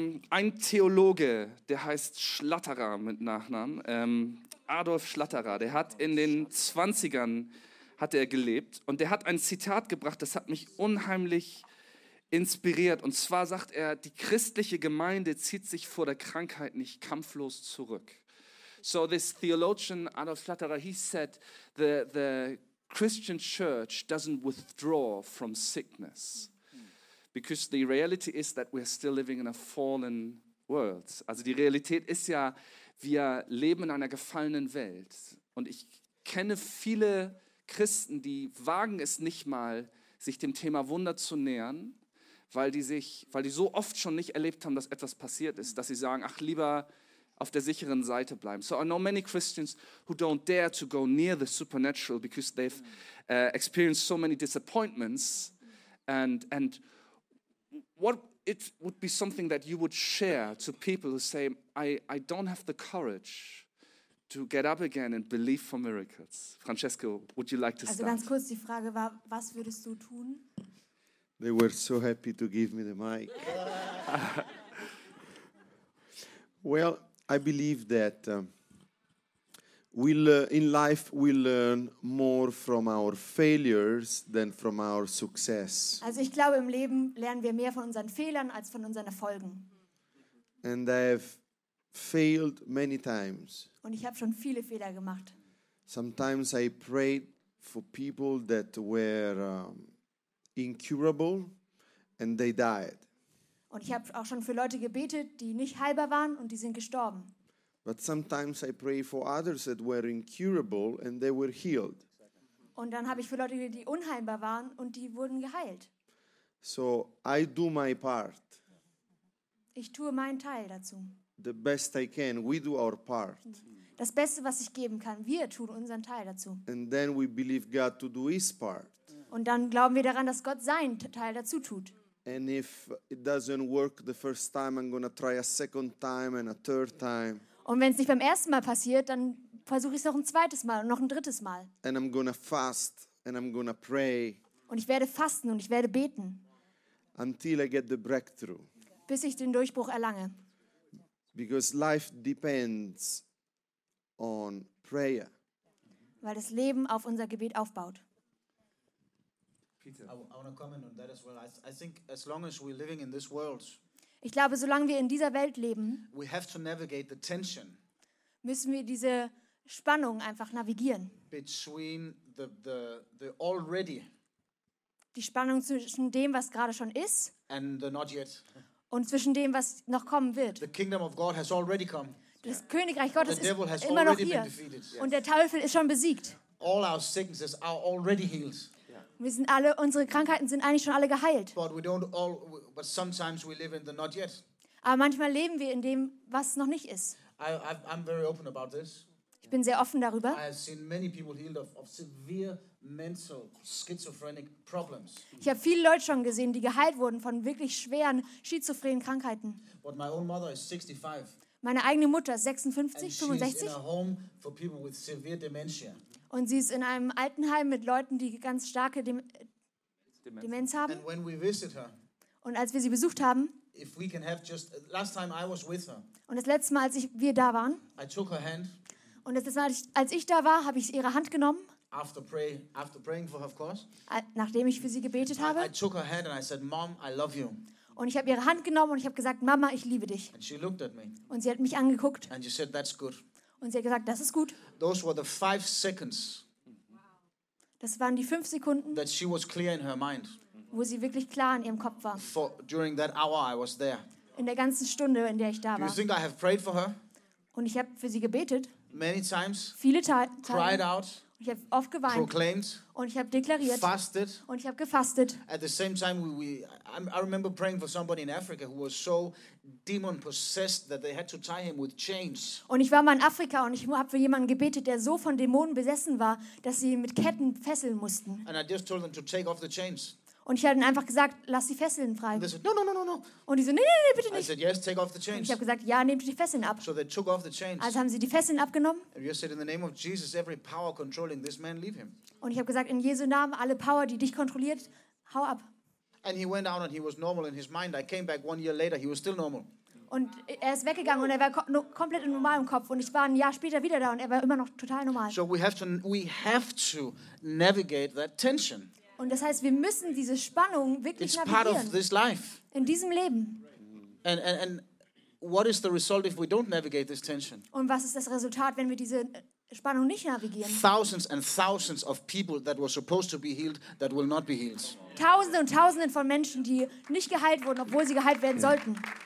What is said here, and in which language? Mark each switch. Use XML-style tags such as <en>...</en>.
<de>Ein Theologe, der heißt Schlatterer mit Nachnamen, Adolf Schlatterer, der hat in den 20ern hat er gelebt und der hat ein Zitat gebracht, das hat mich unheimlich inspiriert. Und zwar sagt er, die christliche Gemeinde zieht sich vor der Krankheit nicht kampflos zurück.</de> <en>So this theologian Adolf Schlatterer, he said, the Christian church doesn't withdraw from sickness. Because the reality is that we are still living in a fallen world.</en> <de>Also die Realität ist ja, wir leben in einer gefallenen Welt. Und ich kenne viele Christen, die wagen es nicht mal, sich dem Thema Wunder zu nähern, weil die so oft schon nicht erlebt haben, dass etwas passiert ist, dass sie sagen, ach, lieber auf der sicheren Seite bleiben.</de> <en>So I know many Christians who don't dare to go near the supernatural because they've experienced so many disappointments. And what it would be something that you would share to people who say, I don't have the courage to get up again and believe for miracles. Francesco, would you like to start?</en> <de>Also ganz kurz, die Frage war, was würdest du tun?</de> <en>They were so happy to give me the mic. Well, I believe that in life we learn more from our failures than from our success.</en> <de>Also ich glaube, im Leben lernen wir mehr von unseren Fehlern als von unseren Erfolgen.</de> <en>And I have failed many times.</en> <de>Und ich habe schon viele Fehler gemacht.</de> <en>Sometimes I prayed for people that were incurable and they died.</en> <de>Und ich habe auch schon für Leute gebetet, die nicht heilbar waren und die sind gestorben.</de> <en>But sometimes I pray for others that were incurable and they were healed.</en> <de>Und dann habe ich für Leute, die unheilbar waren und die wurden geheilt.</de> <en>So I do my part.</en> <de>Ich tue meinen Teil dazu.</de> <en>the best I can. We do our part.</en> <de>Das Beste, was ich geben kann, wir tun unseren Teil dazu.</de> <en>And then we believe God to do his part.</en> <de>Und dann glauben wir daran, dass Gott seinen Teil dazu tut.</de> <en>And if it doesn't work the first time, I'm gonna try a second time and a third time.</en> <de>Und wenn es nicht beim ersten Mal passiert, dann versuche ich es noch ein zweites Mal und noch ein drittes Mal.</de> <en>And I'm gonna fast and I'm gonna pray.</en> <de>Und ich werde fasten und ich werde beten.</de> <en>Until I get the breakthrough.</en> <de>Bis ich den Durchbruch erlange.</de> <en>Because life depends on prayer.</en> <de>Weil das Leben auf unser Gebet aufbaut.</de> <en>Peter, I want to comment on that as well. I think as long as we're living in this world,</en> <de>ich glaube, solange wir in dieser Welt leben,</de> <en>we have to navigate the tension,</en> <de>müssen wir diese Spannung einfach navigieren.</de> <en>Between the already,</en> <de>die Spannung zwischen dem, was gerade schon ist,</de> <en>and the not yet.</en> <de>Und zwischen dem, was noch kommen wird.</de> <en>The kingdom of God has already come.</en> <de>Das Königreich Gottes the ist immer noch hier. Und der Teufel ist schon besiegt.</de> <en>All our sicknesses are already healed.</en> <de>Wir sind alle, unsere Krankheiten sind eigentlich schon alle geheilt.</de> <en>But we don't all, but sometimes we live in the not yet.</en> <de>Aber manchmal leben wir in dem, was noch nicht ist.</de> <en>I'm very open about this.</en> <de>Ich bin sehr offen darüber.</de> <en>I have seen many people healed of severe mental schizophrenic problems.</en> <de>Ich habe viele Leute schon gesehen, die geheilt wurden von wirklich schweren schizophrenen Krankheiten.</de> <en>But my own mother is 65.</en> <de>Meine eigene Mutter ist 56,</de> <en>and 65. She's in a home for people with severe dementia.</en> <de>Und sie ist in einem Altenheim mit Leuten, die ganz starke Demenz haben.</de> <en>And when we visit her,</en> <de>und als wir sie besucht haben,</de> <en>if we can have just, last time I was with her,</en> <de>und das letzte Mal, als wir da waren,</de> <en>I took her hand,</en> <de>und das letzte Mal, als ich da war, habe ich ihre Hand genommen,</de> <en>after praying for her, of course,</en> <de>nachdem ich für sie gebetet habe.</de> <en>I took her hand and I said, Mom, I love you.</en> <de>Und ich habe ihre Hand genommen und ich habe gesagt, Mama, ich liebe dich.</de> <en>And she looked at me.</en> <de>Und sie hat mich angeguckt.</de> <en>And she said, that's good.</en> <de>Und sie hat gesagt, das ist gut.</de> <en>Those were the 5 seconds.</en> <de>Das waren die 5 Sekunden,</de> <en>that she was clear in her mind,</en> <de>wo sie wirklich klar in ihrem Kopf war.</de> <en>For, during that hour I was there.</en> <de>In der ganzen Stunde, in der ich da</de> <en>Do</en> <de>war.</de> <en>You think I have prayed for her?</en> <de>Und ich habe für sie gebetet.</de> <en>Many times,</en> <de>viele Tage.</de> <en>Cried out.</en> <de>Ich habe oft geweint.</de> <en>Proclaimed,</en> <de>und ich habe deklariert.</de> <en>Fasted,</en> <de>und ich habe gefastet.</de> <en>At the same time, I remember praying for somebody in Africa who was so demon possessed that they had to tie him with chains.</en> <de>Und ich war mal in Afrika und ich habe für jemanden gebetet, der so von Dämonen besessen war, dass sie ihn mit Ketten fesseln mussten.</de> <en>And I just told them to take off the chains.</en> <de>Und ich habe ihnen einfach gesagt, lass die Fesseln frei.</de> <en>And they said, no.</en> <de>Und die so, nee, bitte nicht.</de> <en>I said, yes, take off the chains.</en> <de>Und ich habe gesagt, ja, nehmt die Fesseln ab.</de> <en>So they took off the chains.</en> <de>Also haben sie die Fesseln abgenommen.</de> <en>And you said, in the name of Jesus, every power controlling this man, leave him.</en> <de>Und ich habe gesagt, in Jesu Namen, alle Power, die dich kontrolliert, hau ab.</de> <en>And he went out and he was normal in his mind. I came back 1 year later, he was still normal.</en> <de>Und er ist weggegangen und er war komplett in normalem Kopf. Und ich war ein Jahr später wieder da und er war immer noch total normal.</de> <en>So we have to navigate that tension.</en> <de>Und das heißt, wir müssen diese Spannung wirklich</de> <en>It's</en> <de>navigieren.</de> <en>Part of this life.</en> <de>In diesem Leben.</de> <en>And what is the result if we don't navigate this tension?</en> <de>Und was ist das Resultat, wenn wir diese Spannung nicht navigieren?</de> <en>Thousands and thousands of people that were supposed to be healed that will not be healed.</en> <de>Tausende und Tausende von Menschen, die nicht geheilt wurden, obwohl sie geheilt werden sollten.</de>